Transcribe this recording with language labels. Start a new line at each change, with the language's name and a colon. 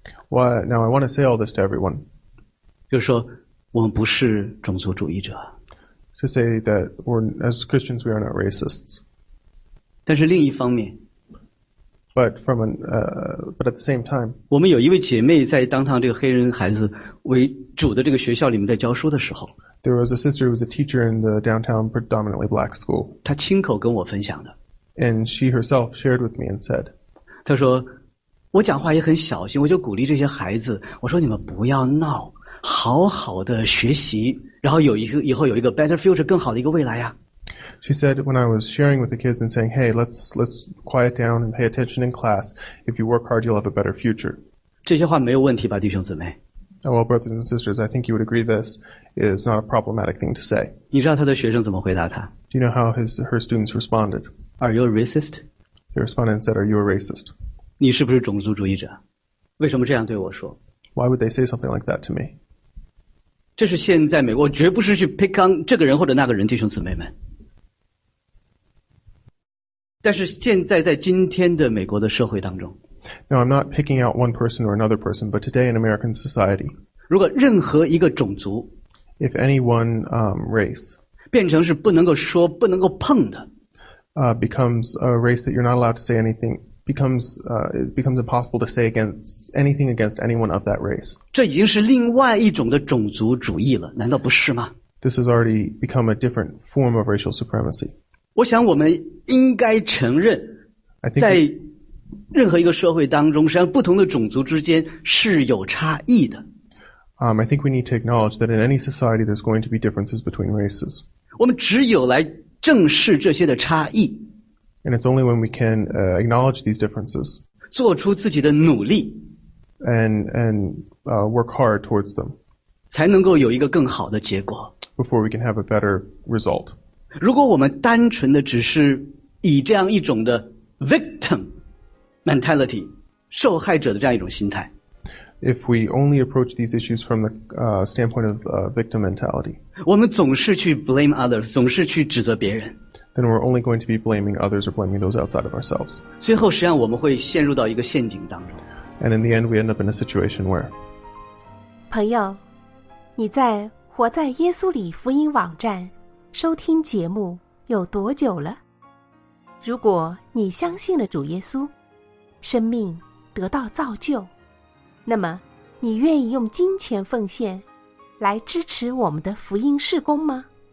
English: Why, now I want to say all this to everyone.
Chinese: 就是说我们不是种族主义者。
English: To say that we're, as Christians we are not racists.
Chinese: 但是另一方面。
English: But from an, but at the same time,
Chinese: 我们有一位姐妹在当堂这个黑人孩子为主的这个学校里面在教书的时候
English: ，There was a sister who was a teacher in the downtown predominantly black school.
Chinese: 她亲口跟我分享的
English: ，And she herself shared with me and said,
Chinese: 她说，我讲话也很小心，我就鼓励这些孩子，我说你们不要闹，好好的学习，然后有一个以后有一个
English: better future，
Chinese: 更好的一个未来呀。
English: She said when I was sharing with the kids and saying, "Hey, let's quiet down and pay attention in class. If you work hard, you'll have a better future."
Chinese: 这些话没有问题吧，弟兄姊妹
English: ？Well, brothers and sisters, I think you would agree this is not a problematic thing to say.
Chinese: 你知道他的学生怎么回答他
English: ？Do you know how her students responded? Are you a racist? They responded and said, "Are you a racist?"
Chinese: 你是不是种族主义者？为什么这样对我说
English: ？Why would they say something like that to me?
Chinese: 这是现在美国，绝不是去
English: pick on
Chinese: 这个人或者那个人，弟兄姊妹们。但是现在在今天的美国的社会当中
English: Now I'm not picking out one person or another person, but today in American society,
Chinese: 如果任何一个种族
English: if any one race
Chinese: 变成是不能够说不能够碰的
English: becomes a race that you're not allowed to say anything, becomes impossible to say against anything against anyone of that race.
Chinese: 这已经是另外一种的种族主义了，难道不是吗？
English: This has already become a different form of racial supremacy.
Chinese: 我想我们应该承认在任何一个社会当中实际上不同的种族之间是有差异的。
English: I think we need to acknowledge that in any society there's going to be differences between races.
Chinese: 我们只有来正视这些的差异。
English: And it's only when we can acknowledge these differences.
Chinese: 做出自己的努力。
English: And work hard towards them.
Chinese: 才能够有一个更好的结果。
English: Before we can have a better result.
Chinese: 如果我们单纯的只是以这样一种的 victim mentality 受害者的这样一种心态
English: If we only approach these issues from the standpoint of victim mentality
Chinese: 我们总是去
English: blame others
Chinese: 总是去指责别人
English: Then we're only going to be blaming others or blaming those outside of ourselves
Chinese: 最后实际上我们会陷入到一个陷阱当中
English: And in the end we end up in a situation where
Chinese: 朋友你在活在耶稣里福音网站收听节目有多久了？如果你相信了主耶稣，生命得到造就，那么你愿意用金钱奉献来支持我们的福音事工吗？